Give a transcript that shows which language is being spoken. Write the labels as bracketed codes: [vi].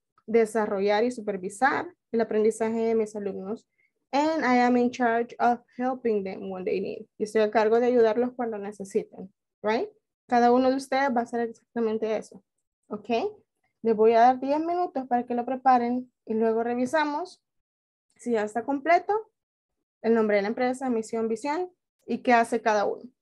[es] desarrollar y supervisar el aprendizaje de mis alumnos. [en] And I am in charge of helping them when they need. [es] Y estoy a cargo de ayudarlos cuando necesiten, right? Cada uno de ustedes va a hacer exactamente eso, okay? Les voy a dar 10 minutos para que lo preparen y luego revisamos si ya está completo, el nombre de la empresa, misión, visión, y qué hace cada uno.